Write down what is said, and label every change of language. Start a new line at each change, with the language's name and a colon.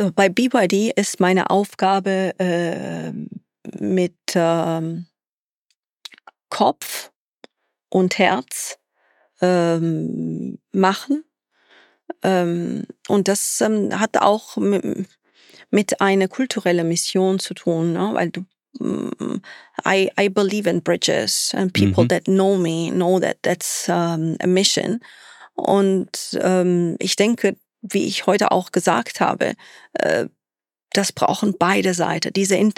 German: Bei BYD ist meine Aufgabe mit Kopf und Herz machen. Und das hat auch mit einer kulturellen Mission zu tun, ne? Weil du,
English: I believe in bridges and people, mhm, that know me know that that's a mission.
German: Und ich denke, wie ich heute auch gesagt habe, das brauchen beide Seiten.